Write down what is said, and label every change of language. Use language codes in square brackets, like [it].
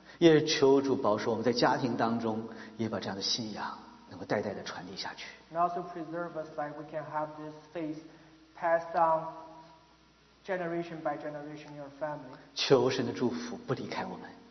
[zh] 也求主保守我们在家庭当中，也把这样的信仰能够代代的传递下去。 [en] And also preserve us like we can have this faith passed down generation by generation in your family. [zh] 求神的祝福不离开我们。